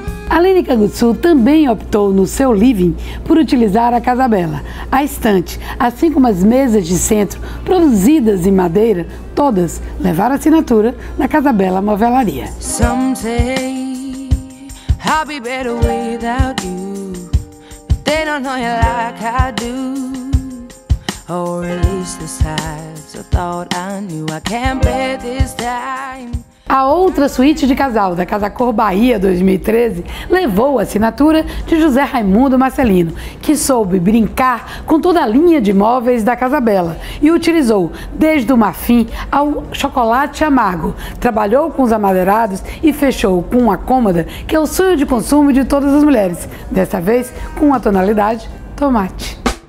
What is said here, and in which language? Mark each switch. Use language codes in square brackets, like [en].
[pt] Aline Canguçu também optou no seu living por utilizar a Casa Bela. A estante, assim como as mesas de centro produzidas em madeira, todas levaram assinatura na Casa Bela Movelaria. [en] Someday I'll be better without you. But they don't know you like I do. Or at least the size of thought I knew. I can't bear this time. [pt] A outra suíte de casal da Casa Cor Bahia 2013 levou a assinatura de José Raimundo Marcelino, que soube brincar com toda a linha de móveis da Casa Bela e utilizou desde o marfim ao chocolate amargo, trabalhou com os amadeirados e fechou com uma cômoda que é o sonho de consumo de todas as mulheres, desta vez com a tonalidade tomate.